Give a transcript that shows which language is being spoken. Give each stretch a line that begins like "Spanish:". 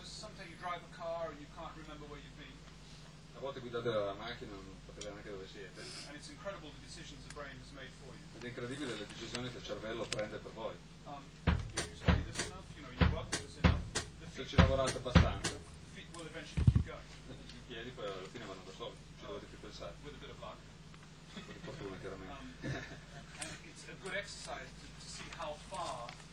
Italian: a volte guidate la macchina non sapete neanche dove siete.
English: And it's incredible the decisions the brain has made for you.
Italian: Ed è incredibile le decisioni che il cervello prende per voi. Se ci lavorate abbastanza,
English: feet will eventually keep going.
Italian: I piedi poi alla fine vanno da soli, non ci dovete più pensare.
English: With a bit of luck.
Italian: Con fortuna chiaramente.
English: And it's a good exercise to see how far.